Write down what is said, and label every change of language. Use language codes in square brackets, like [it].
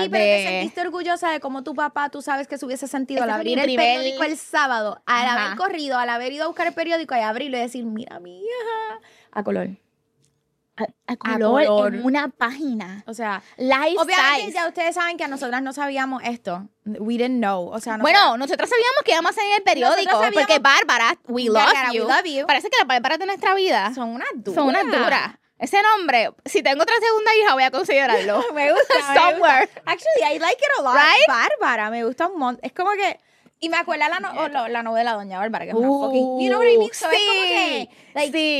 [es] Sí, pero te sentiste orgullosa de cómo tu papá, tú sabes que se hubiese sentido al abrir el periódico el sábado, al haber corrido, al haber ido a buscar el periódico y abrirlo y decir, mira, mía. A color. a color en una página. O sea, [en] life [es] obviamente [en] size. [es] Ya ustedes saben que a nosotras no sabíamos esto. [en] We didn't know. [es] O sea, nosotras sabíamos que íbamos a salir en el periódico. Porque [en] Bárbara, we love you. [es] Parece que las Bárbaras de nuestra vida son unas duras. Son unas duras. Ese nombre, si tengo otra segunda hija, voy a considerarlo. Me gusta. [en] Somewhere. Me gusta. Actually, I like it a lot. Right? [es] Bárbara, me gusta un montón. Es como que. Y me acuerda la novela Doña Bárbara, que es una fucking. [en] You know what I mean? So [es] sí.